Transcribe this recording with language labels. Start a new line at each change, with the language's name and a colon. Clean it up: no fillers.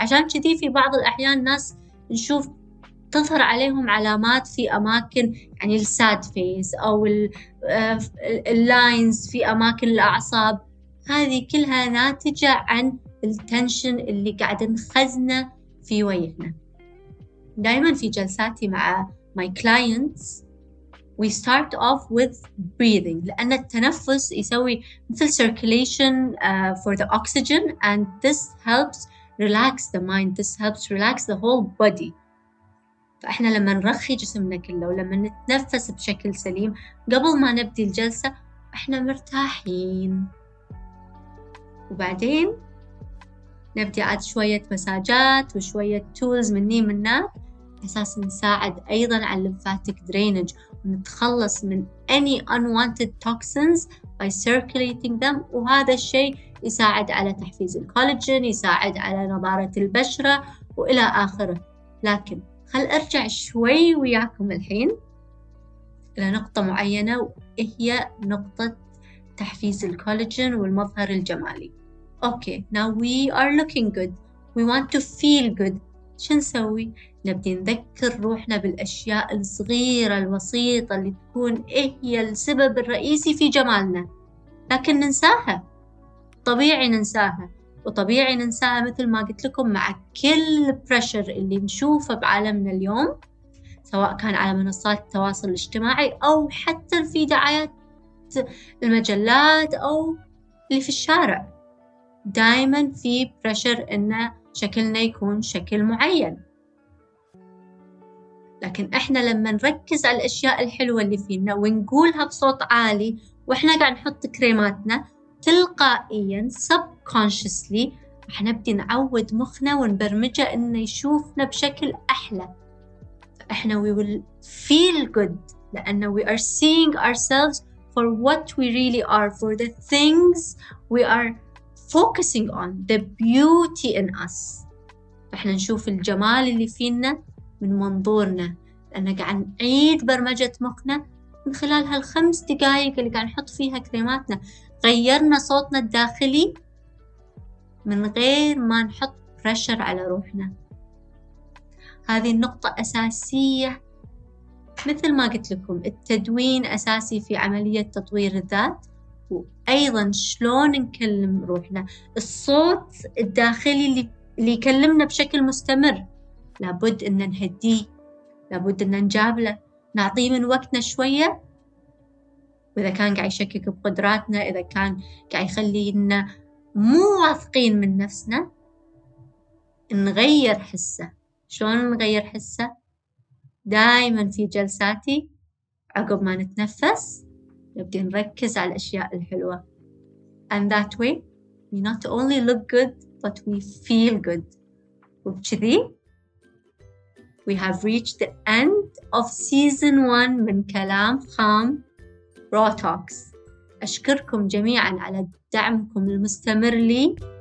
Arabic: عشان كذي في بعض الأحيان ناس نشوف تظهر عليهم علامات في أماكن، يعني الساد فيس أو اللاينز في أماكن الأعصاب، هذه كلها ناتجة عن التنشن اللي قاعد نخزنه في وجهنا. دائما في جلساتي مع
English: my clients we start off with breathing،
Arabic: لأن التنفس يسوي مثل
English: circulation for the oxygen and this helps relax the mind, this helps relax the whole body.
Arabic: فإحنا لما نرخي جسمنا كله ولما نتنفس بشكل سليم قبل ما نبدي الجلسة إحنا مرتاحين، وبعدين نبدي عاد شوية مساجات وشوية tools مني منها أساس نساعد أيضا على lymphatic drainage، نتخلص من
English: any unwanted toxins by circulating them.
Arabic: وهذا الشيء يساعد على تحفيز الكولاجين، يساعد على نضارة البشرة وإلى آخره. لكن خل أرجع شوي وياكم الحين إلى نقطة معينة، وهي نقطة تحفيز الكولاجين والمظهر الجمالي.
English: Okay, now we are looking good, we want to feel good.
Arabic: شو نسوي؟ نبدي نذكر روحنا بالأشياء الصغيرة البسيطة اللي تكون هي السبب الرئيسي في جمالنا، لكن ننساها، طبيعي ننساها، وطبيعي ننساها مثل ما قلت لكم مع كل بريشر اللي نشوفه بعالمنا اليوم، سواء كان على منصات التواصل الاجتماعي أو حتى في دعايات المجلات أو اللي في الشارع. دائما في بريشر إن شكلنا يكون شكل معين، لكن إحنا لما نركز على الأشياء الحلوة اللي فينا ونقولها بصوت عالي وإحنا قاعد نحط كريماتنا، تلقائيا subconsciously راح نبدي نعود مخنا ونبرمجه إنه يشوفنا بشكل أحلى.
English: فإحنا we will feel good لأنه we are seeing ourselves for what we really are, for the things we are focusing on, the beauty in us.
Arabic: فإحنا نشوف الجمال اللي فينا من منظورنا، لأن قاعد نعيد برمجة مخنا من خلال هالخمس دقايق اللي قاعد نحط فيها كريماتنا. غيرنا صوتنا الداخلي من غير ما نحط بريشر على روحنا. هذه النقطة أساسية، مثل ما قلت لكم التدوين أساسي في عملية تطوير الذات، وأيضا شلون نكلم روحنا، الصوت الداخلي اللي يكلمنا بشكل مستمر لابد أن نهديه، لابد أن نجابله، نعطيه من وقتنا شوية. وإذا كان قاعد يشكك بقدراتنا، إذا كان قاعد يخلينا مو واثقين من نفسنا، نغير حسه. شلون نغير حسه؟ دائما في جلساتي عقب ما نتنفس نبدي نركز على الأشياء الحلوة.
English: And that way we not only look good but we feel good.
Arabic: وبكذي
English: we have reached the end of season 1
Arabic: من كلام خام Raw Talks. أشكركم جميعاً على دعمكم المستمر لي